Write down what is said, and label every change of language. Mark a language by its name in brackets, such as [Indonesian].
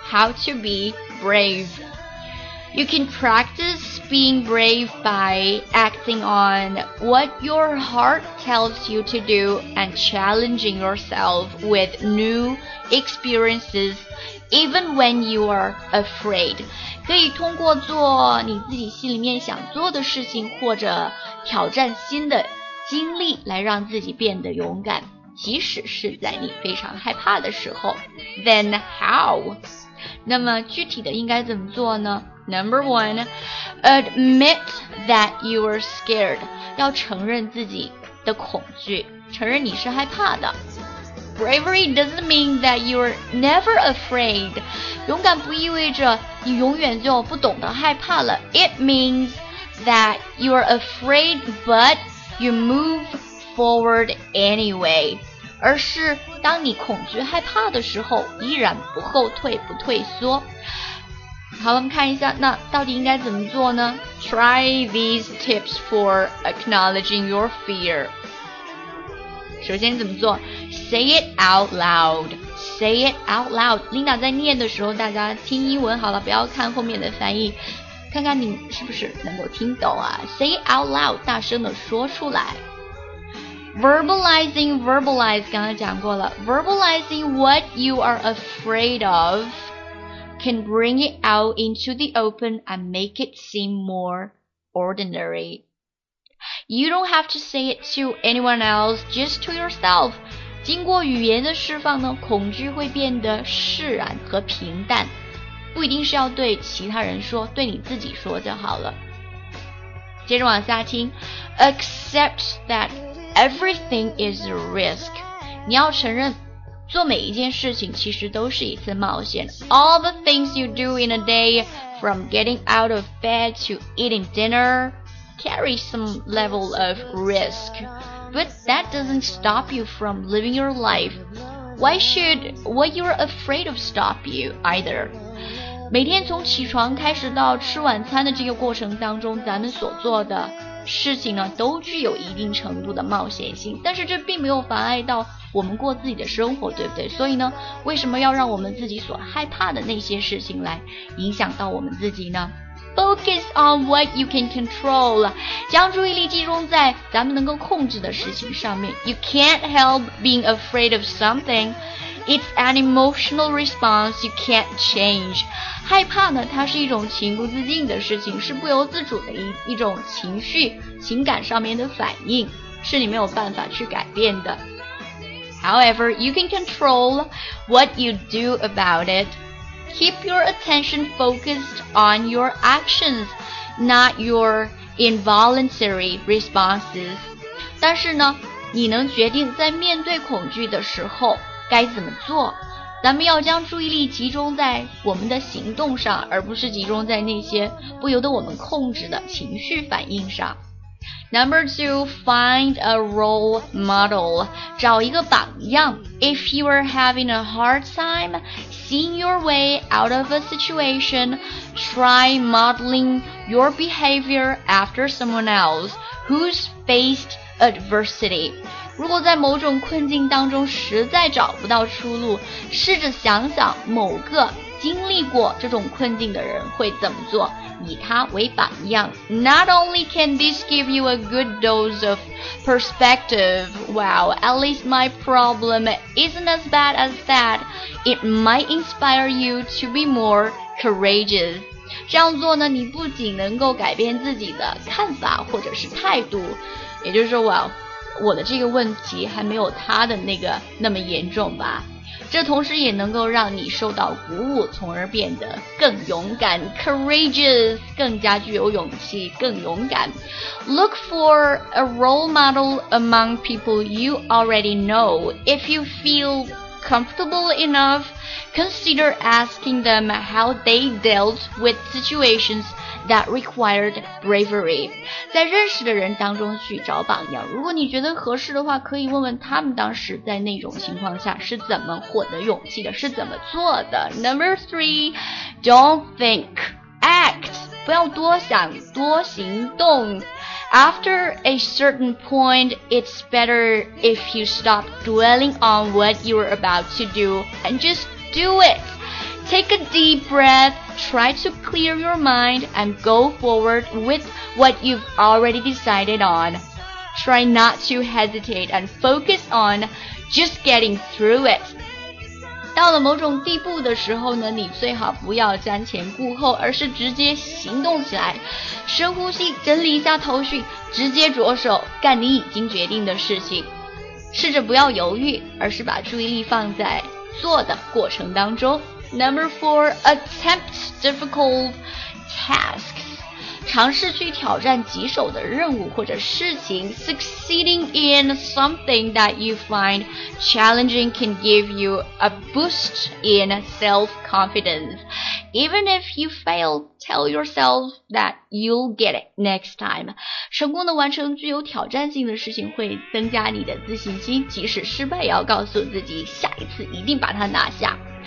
[English] How to be brave You can practice being brave by acting on what your heart tells you to do and challenging yourself with new experiences even when you are afraid. [Chinese] 可以通过做你自己心里面想做的事情，或者挑战新的经历，来让自己变得勇敢，即使是在你非常害怕的时候。 [English] Then how? [Chinese] 那么具体的应该怎么做呢？ [English] Number one, admit that you are scared. [Chinese] 要承认自己的恐惧，承认你是害怕的。 [English] Bravery doesn't mean that you're never afraid. [Chinese] 勇敢不意味着你永远就不懂得害怕了。 [English] It means that you're afraid, but you move forward anyway. [Chinese] 而是当你恐惧害怕的时候，依然不后退，不退缩。好，我们看一下，那到底应该怎么做呢？ [English] Try these tips for acknowledging your fear. [Chinese] 首先怎么做？ [English] Say it out loud. [Chinese] Linda 在念的时候，大家听英文好了，不要看后面的翻译，看看你是不是能够听懂啊。 [English] Say it out loud， [Chinese] 大声的说出来。 [English] Verbalize [Chinese] 刚刚讲过了， [English] Verbalizing what you are afraid of can bring it out into the open and make it seem more ordinary. You don't have to say it to anyone else, just to yourself. [Chinese] 经过语言的释放呢，恐惧会变得释然和平淡，不一定是要对其他人说，对你自己说就好了。接着往下听。 [English] Accept that everything is a risk. [Chinese] 你要承认做每一件事情其实都是一次冒险。 [English] All the things you do in a day, from getting out of bed to eating dinnercarry some level of risk, but that doesn't stop you from living your life. Why should what you're afraid of stop you either? [Chinese] 每天从起床开始到吃晚餐的这个过程当中，咱们所做的事情呢都具有一定程度的冒险性，但是这并没有妨碍到我们过自己的生活，对不对？所以呢，为什么要让我们自己所害怕的那些事情来影响到我们自己呢？ [English] Focus on what you can control， [Chinese] 将注意力集中在咱们能够控制的事情上面。 [English] You can't help being afraid of somethingIt's an emotional response you can't change. [Chinese] 害怕呢，它是一种情不自禁的事情，是不由自主的一种情绪、情感上面的反应，是你没有办法去改变的。 [English] However, you can control what you do about it. Keep your attention focused on your actions, not your involuntary responses. [Chinese] 但是呢，你能决定在面对恐惧的时候该怎么做？咱们要将注意力集中在我们的行动上，而不是集中在那些不由得我们控制的情绪反应上。 [English] Number two, find a role model. [Chinese] 找一个榜样。 [English] If you are having a hard time seeing your way out of a situation, try modeling your behavior after someone else who's faced adversity. [Chinese] 如果在某种困境当中实在找不到出路，试着想想某个经历过这种困境的人会怎么做，以他为榜样。 [English] Not only can this give you a good dose of perspective, wow, at least my problem isn't as bad as that, it might inspire you to be more courageous. [Chinese] 这样做呢，你不仅能够改变自己的看法或者是态度，也就是说，我的这个问题还没有他的那个那么严重吧，这同时也能够让你受到鼓舞，从而变得更勇敢 courageous， 更加具有勇气，更勇敢。 [English] Look for a role model among people you already know. If you feel comfortable enough, consider asking them how they dealt with situationsThat required bravery. [Chinese] 在认识的人当中去找榜样，如果你觉得合适的话，可以问问他们当时在那种情况下是怎么获得勇气的，是怎么做的。 [English] Number three, don't think, act. [Chinese] 不要多想，多行动。 [English] After a certain point, it's better if you stop dwelling on what you are about to do and just do it. Take a deep breath, try to clear your mind, and go forward with what you've already decided on. Try not to hesitate and focus on just getting through it. [Chinese] 到了某种地步的时候呢，你最好不要瞻前顾后，而是直接行动起来。深呼吸，整理一下头绪，直接着手干你已经决定的事情。试着不要犹豫，而是把注意力放在做的过程当中。 [English] Number four, attempt difficult tasks. [Chinese] 尝试去挑战棘手的任务或者事情。 [English] Succeeding in something that you find challenging can give you a boost in self-confidence. Even if you fail, tell yourself that you'll get it next time. [Chinese] 成功的完成具有挑战性的事情会增加你的自信心，即使失败也要告诉自己下一次一定把它拿下。